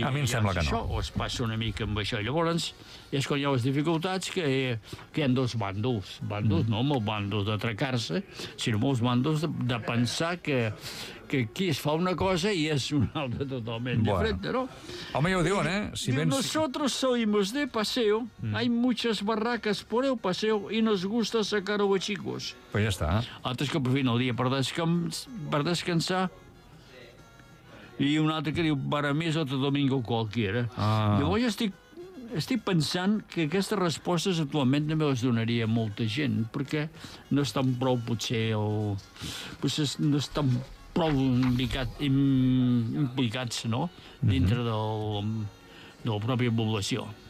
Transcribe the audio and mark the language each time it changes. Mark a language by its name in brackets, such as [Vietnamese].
[Catalan] a mi em sembla que això no. O es passa una mica amb això. Llavors, és quan hi ha les dificultats que hi ha dos bàndols. Bàndols, no molts bàndols d'atracar-se, sinó molts bàndols de pensar que aquí es fa una cosa i és una altra totalment diferent, no? Home, ja ho diuen, eh? Si diu, [Spanish] nosotros salimos de paseo, hay muchas barracas por el paseo y nos gusta sacar a los chicos. [Catalan] Pues ja està. Altres que aprofiten el dia per descansar. I un altre que diu, [Spanish] para mí es otro domingo cualquiera. [Catalan] Ah. Llavors estic pensant que aquestes respostes actualment també les donaria molta gent, perquè no estan prou, potser, o... Potser no estan prou implicats, no?, dintre de la pròpia població.